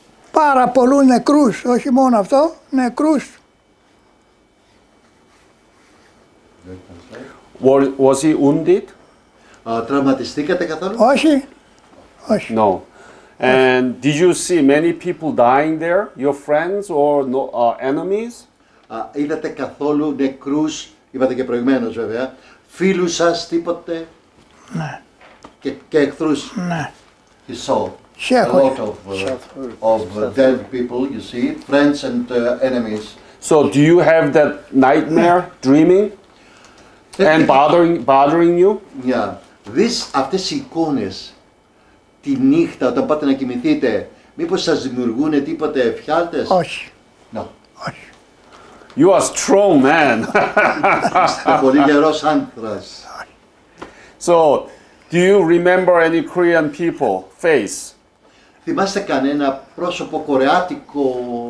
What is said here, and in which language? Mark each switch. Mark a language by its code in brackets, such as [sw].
[el] Πάρα πολλούς νεκρούς, όχι μόνο αυτό, νεκρούς. [en] Was he wounded? [el] Τραυματιστήκατε καθόλου? Όχι, Όχι. [en] No. And [el] όχι. [en] Did you see many people dying there, your friends or no, enemies? [el] Είδατε καθόλου νεκρούς, είπατε και προηγουμένως βέβαια, φίλους σας τίποτε? Ναι. Και εχθρούς? Ναι. [en] You saw a lot of dead people, you see, friends and enemies. So do you have that nightmare, yeah, dreaming and bothering you? Yeah. This, [el] αυτές οι εικόνες, τη νύχτα, όταν πάτε να κοιμηθείτε, μήπως σας δημιουργούν τίποτε εφιάλτες? Όχι. [en] No. [el] Όχι. [en] You are strong man. [el] Πολύ γερός άνθρας. [en] So, do you remember any Korean people, face? [el] Θυμάστε κανένα πρόσωπο κορεάτικο?